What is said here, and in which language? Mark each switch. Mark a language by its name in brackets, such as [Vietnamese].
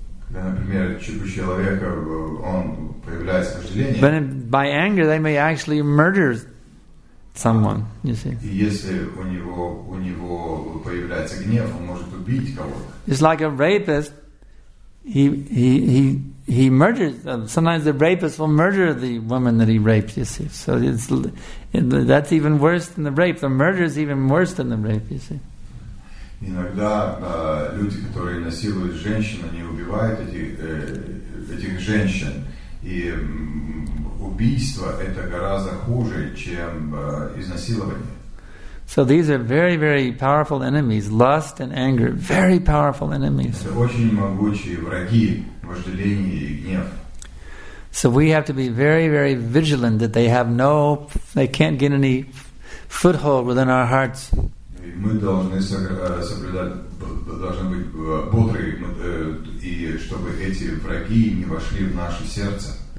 [Russian] Например, у человека он появляется вожделение. [English] But by anger, they may actually murder someone. You see. [Russian] Если у него появляется гнев, он может убить кого-то. [English] It's like a rapist. He murders. Sometimes the rapist will murder the woman that he raped. You see. So that's even worse than the rape. The murder is even worse than the rape. You see. [Russian] Иногда люди, которые насилуют женщин, они убивают этих женщин. И убийство это гораздо хуже, чем изнасилование. [English] So these are very, very powerful enemies. Lust and anger, very powerful enemies. [Russian] Это очень могучие враги, вожделение и гнев. [English] So we have to be very, very vigilant that they can't get any foothold within our hearts. [Russian] Мы должны соблюдать, должны быть бодры, и чтобы эти враги не вошли в наше сердце.